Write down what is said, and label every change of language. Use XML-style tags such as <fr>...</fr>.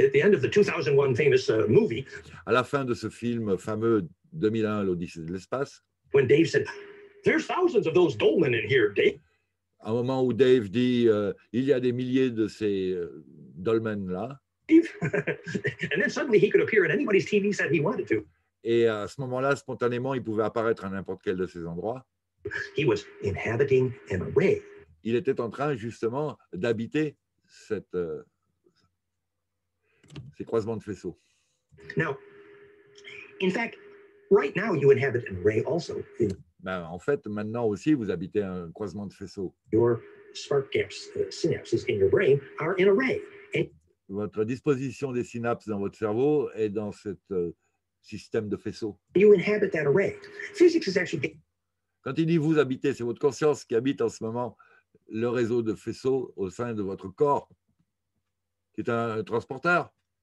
<en>At the end of the 2001 famous movie.</en> <fr>À la fin de ce film fameux 2001, l'Odyssée de l'espace.</fr> <en>When Dave said, "There's thousands of those Dolmen in here, Dave."</en> <fr>À un moment où Dave dit, il y a des milliers de ces dolmens là.</fr> <en>And then suddenly he could appear in anybody's TV set he wanted to.</en> <fr>Et à ce moment-là, spontanément, il pouvait apparaître à n'importe quel de ces endroits.</fr> <en>He was inhabiting an array.</en> <fr>Il était en train justement d'habiter ces croisements de faisceaux.</fr> <en>Now, in fact, right now you inhabit an array also.</en> <fr>Ben, en fait, maintenant aussi, vous habitez un croisement de faisceaux.</fr> <en>Your spark gaps, synapses in your brain are in array.</en> <fr>Votre disposition des synapses dans votre cerveau est dans cette système de faisceaux.</fr> <en>You inhabit that array. Physics is actually.</en> <fr>Quand il dit vous habitez, c'est votre conscience qui habite en ce moment le réseau de faisceaux au sein de votre corps, qui est un transporteur.</fr>